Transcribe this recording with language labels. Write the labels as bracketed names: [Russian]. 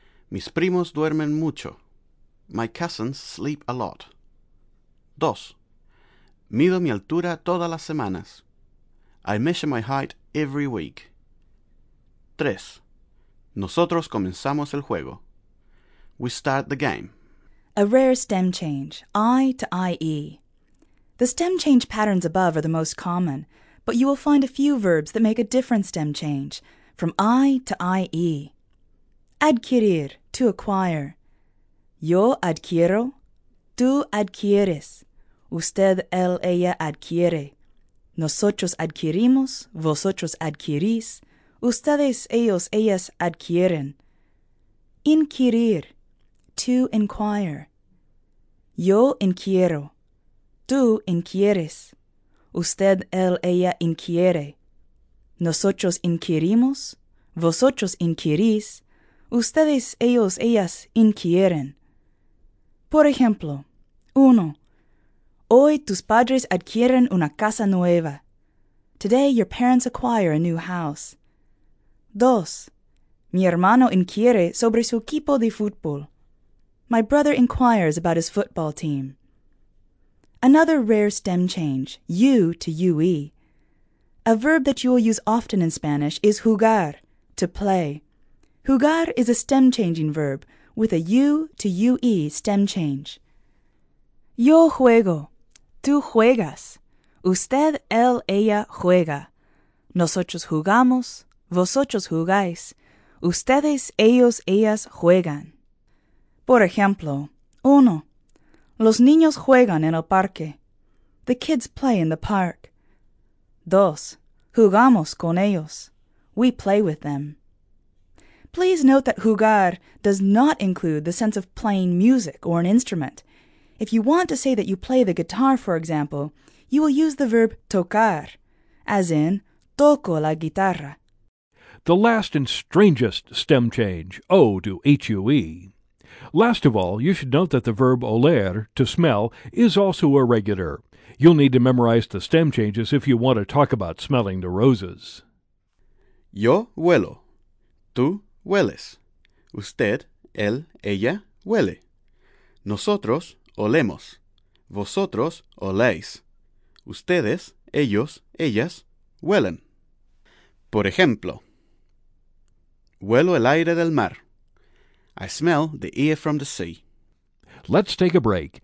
[Spanish] Mis primos duermen mucho. [English] My cousins sleep a lot. 2. [Spanish] Mido mi altura todas las semanas. [English] I measure my height every week. 3. [Spanish] Nosotros comenzamos el juego. [English] We start the game. A rare stem change, I to IE. The stem change patterns above are the most common, but you will find a few verbs that make a different stem change, from I to IE. [Spanish] Adquirir, [English] to acquire. [Spanish] Yo adquiero. Tú adquieres. Usted, él, ella adquiere. Nosotros adquirimos. Vosotros adquirís. Ustedes, ellos, ellas adquieren. Inquirir, [English] to inquire. [Spanish] Yo inquiero. Tú inquieres. Usted, él, ella inquiere. Nosotros inquirimos. Vosotros inquirís. Ustedes, ellos, ellas inquieren. Por ejemplo, 1. Hoy tus padres adquieren una casa nueva. [English] Today your parents acquire a new house. 2. [Spanish] Mi hermano inquiere sobre su equipo de fútbol. [English] My brother inquires about his football team. Another rare stem change, U to UE. A verb that you will use often in Spanish is jugar, to play. Jugar is a stem-changing verb with a U to UE stem change. [Spanish] Yo juego. Tú juegas. Usted, él, ella juega. Nosotros jugamos. Vosotros jugáis. Ustedes, ellos, ellas juegan. Por ejemplo, 1. Los niños juegan en el parque. [English] The kids play in the park. 2. [Spanish] Jugamos con ellos. [English] We play with them. Please note that jugar does not include the sense of playing music or an instrument. If you want to say that you play the guitar, for example, you will use the verb tocar, as in [Spanish] toco la guitarra. [English] The last and strangest stem change, O to HUE. Last of all, you should note that the verb oler, to smell, is also irregular. You'll need to memorize the stem changes if you want to talk about smelling the roses. [Spanish] Yo huelo. Tú hueles. Usted, él, ella huele. Nosotros olemos. Vosotros oléis. Ustedes, ellos, ellas huelen. Por ejemplo, huelo el aire del mar. [English] I smell the air from the sea. Let's take a break. Be sure to review these sections as irregular verbs can be tricky.